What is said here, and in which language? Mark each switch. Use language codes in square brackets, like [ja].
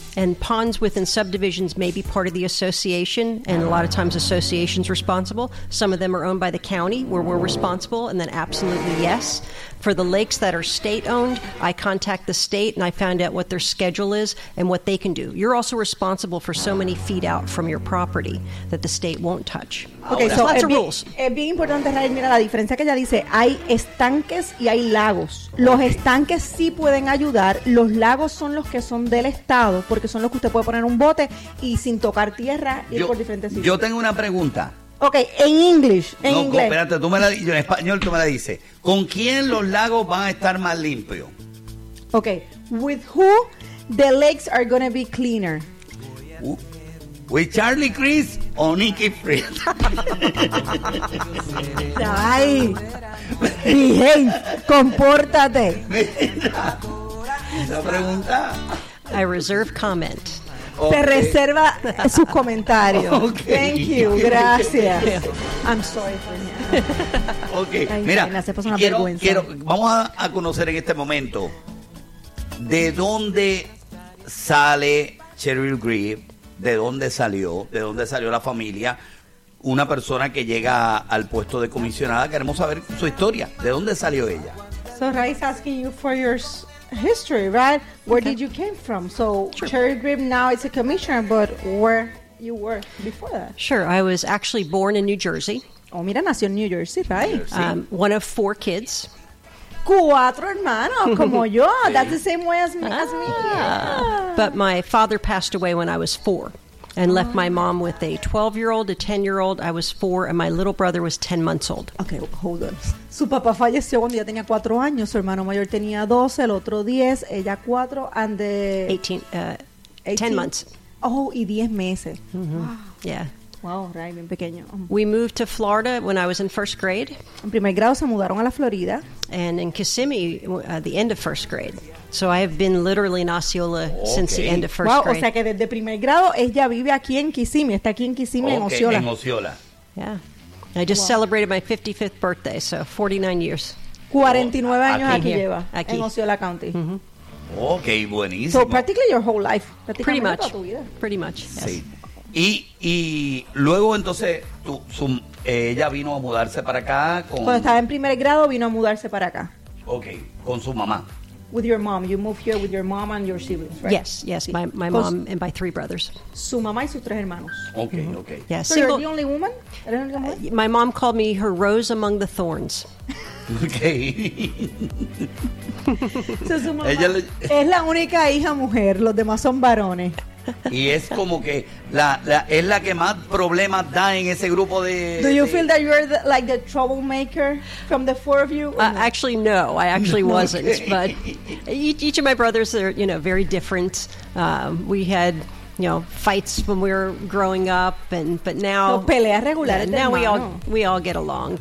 [en] And ponds within subdivisions may be part of the association, and a lot of times associations responsible. Some of them are owned by the county, where we're responsible, and then absolutely yes. For the lakes that are state-owned, I contact the state, and I find out what their schedule is and what they can do. You're also responsible for so many feet out from your property that the state won't touch. Okay, so lots of rules. [es] Es bien importante, Raúl, mira la diferencia que ella dice. Hay estanques y hay lagos. Los estanques sí pueden ayudar. Los lagos son los que son del estado, porque son los que usted puede poner un bote y sin tocar tierra ir por diferentes sitios. Yo tengo una pregunta. Okay, en inglés. No, English. Espérate, en español tú me la dices. ¿Con quién los lagos van a estar más limpios? [en] Okay, with who the lakes are going to be cleaner? With Charlie Chris o Nikki Fritz. Ay, behave, [es] compórtate. Esa pregunta. [en] I reserve comment. Okay. [es] Te reserva sus comentarios. [en] Okay. Thank you, [es] gracias. [en] I'm sorry for [es] you. Okay, ay, mira, se pasa una vergüenza. Vamos a conocer en este momento de dónde sale Cheryl Grieve, de dónde salió la familia, una persona que llega al puesto de comisionada. Queremos saber su historia, de dónde salió ella. [en] So Raiz asking you for your history, right? Where okay. did you came from? So sure. Cherry Grieve now is a commissioner, but where you were before that? Sure, I was actually born in New Jersey. [es] Oh, mira, nació en New Jersey, right? New Jersey. [en] One of four kids. [es] Cuatro hermanos, como yo. [en] That's the same way as me. Yeah. But my father passed away when I was four and left my mom with a 12-year-old, a 10-year-old. I was four, and my little brother was 10 months old. Okay, hold on. [es] Su papá falleció cuando ella tenía 4 años. Su hermano mayor tenía 12, el otro 10, ella 4, [en] and the... 10 months. [es] Oh, y 10 meses. Mm-hmm. [en] Wow. Yeah. Wow, right, [es] bien pequeño. [en] We moved to Florida when I was in first grade. [es] En primer grado se mudaron a la Florida. [en] And in Kissimmee, the end of first grade. So I have been literally in Osceola since the end of first grade. [es] Wow, o sea que desde primer grado ella vive aquí en Kissimmee, está aquí en Kissimmee, en Osceola. Okay, en Osceola. [en] Yeah. I just celebrated my 55th birthday, so 49 years. [es] 49 años aquí lleva, aquí. En Osceola County. Mm-hmm. Okay, buenísimo. [en] So practically your whole life. Pretty much. Pretty much, yes. [es] Sí. Y luego entonces ella vino a mudarse para acá con... Cuando estaba en primer grado vino a mudarse para acá. Okay, con su mamá. [en] With your mom, you moved here with your mom and your siblings, right? Yes, sí. my mom and my three brothers. [es] Su mamá y sus tres hermanos. [en] Okay, mm-hmm. Okay. Yeah, so single, you're the only woman? My mom called me her rose among the thorns. Okay. [es] So su mamá es la única hija mujer, los demás son varones. y es como que es la que más problemas da en ese grupo de. [en] Do you feel that you're like the troublemaker from the four of you? Actually, no. I actually wasn't. Okay. But each of my brothers are, you know, very different. We had, you know, fights when we were growing up, but now. [es] No, peleas regulares. [en] Yeah, now we all get along.